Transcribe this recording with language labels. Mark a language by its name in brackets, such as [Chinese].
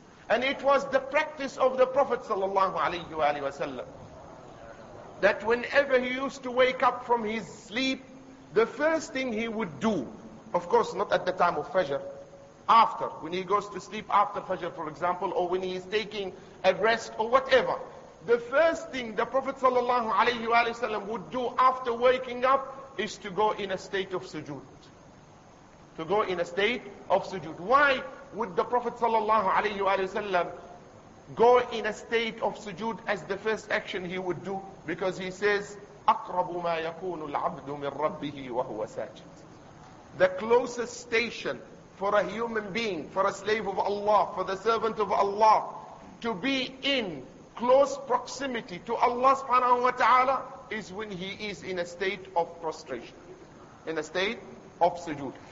[English] And it was the practice of the Prophet sallallahu alayhi wa sallam that whenever he used to wake up from his sleep, the first thing he would do, of course not at the time of Fajr, after, when he goes to sleep after Fajr, for example, or when he is taking a rest or whatever, the first thing the Prophet sallallahu alayhi wa sallam would do after waking up is to go in a state of sujood. To go in a state of sujood. Why would the Prophet sallallahu alayhi wa sallam go in a state of sujood as the first action he would do? Because he says, [Arabic] أَقْرَبُ مَا يَكُونُ الْعَبْدُ مِنْ رَبِّهِ وَهُوَ سَاجِدٌ. [English] The closest station for a human being, for a slave of Allah, for the servant of Allah, to be in close proximity to Allah subhanahu wa ta'ala is when he is in a state of prostration, in a state of sujood.